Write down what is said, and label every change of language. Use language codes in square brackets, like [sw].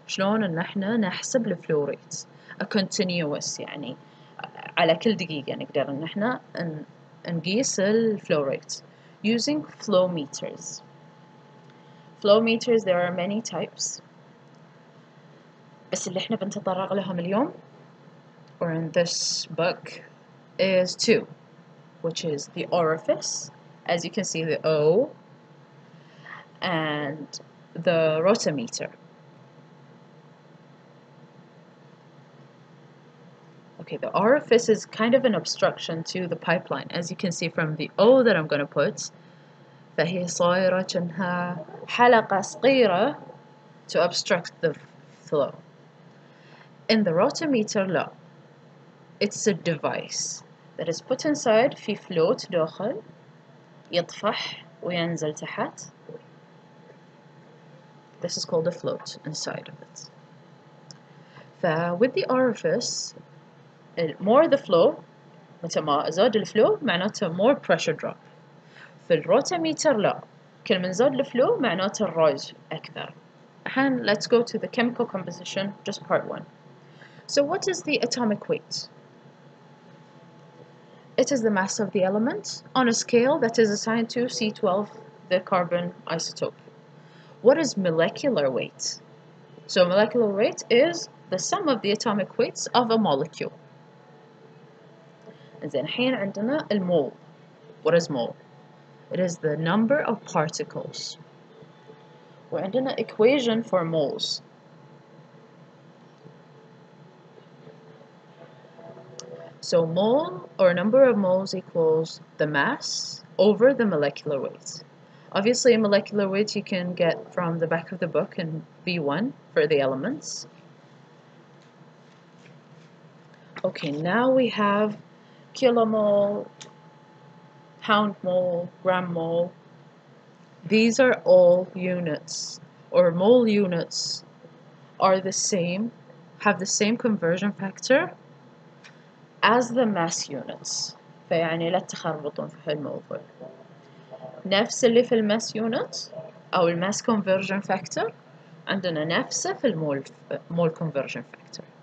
[ar] شلون نحن نحسب الفلو ريت؟ [en] A continuous [ar] يعني على كل دقيقة نقدر نحن نقيس الفلو ريت. [en] Using flow meters. Flow meters, there are many types. [ar] بس اللي احنا بنتطرق لهم اليوم [en] or in this book is two. Which is the orifice, as you can see the O, and the rotameter. Okay, the orifice is kind of an obstruction to the pipeline, as you can see from the O that I'm going to put. [ar] فهي صايرة كأنها حلقة صغيرة [en] to obstruct the flow. In the rotameter, لا. It's a device that is put inside, في float داخل, [ar] يطفح وينزل تحت. [en] This is called a float inside of it. With the orifice, more the flow, [ar] متى ما زاد الفلو معناته [en] more pressure drop. [ar] في الروتاميتر لا, كل من زاد الفلو معناته rise أكثر. [en] And let's go to the chemical composition, just part one. So what is the atomic weight? It is the mass of the element on a scale that is assigned to C12, the carbon isotope. What is molecular weight? So molecular weight is the sum of the atomic weights of a molecule. And then [ar] حين عندنا المول. [en] What is mole? It is the number of particles. وعندنا equation for moles. So mole, or number of moles, equals the mass over the molecular weight. Obviously, molecular weight you can get from the back of the book in B1 for the elements. Okay, now we have kilomole, pound mole, gram mole. These are all units, or mole units are the same, have the same conversion factor as the mass units. [ar] فيعني لا تخربطون في هالموضوع. نفس اللي في الماس يونت أو الماس كونفرجن فاكتور عندنا نفسه في المول مول كونفرجن فاكتور.